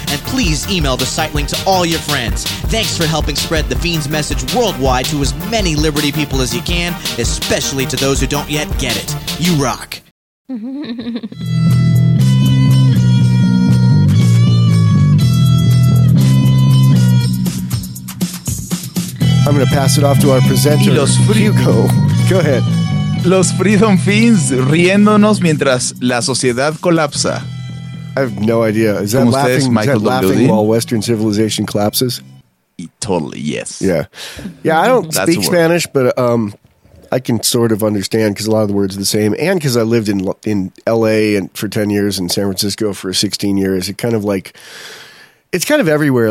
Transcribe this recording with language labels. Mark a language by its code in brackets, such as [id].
[en] And please email the site link to all your friends. Thanks for helping spread the Fiends message worldwide to as many liberty people as you can, especially to those who don't yet get it. You rock. I'm going to pass it off to our presenter, Hugo. Go ahead. [es] Los Freedom Fiends riéndonos mientras la sociedad colapsa. [en] I have no idea. Is that laughing, ustedes, Michael, is that laughing while Western civilization collapses? Totally, yes. Yeah. Yeah, I don't speak Spanish, but I can sort of understand because a lot of the words are the same. And because I lived in L.A. and for 10 years and San Francisco for 16 years, it kind of like, it's kind of everywhere.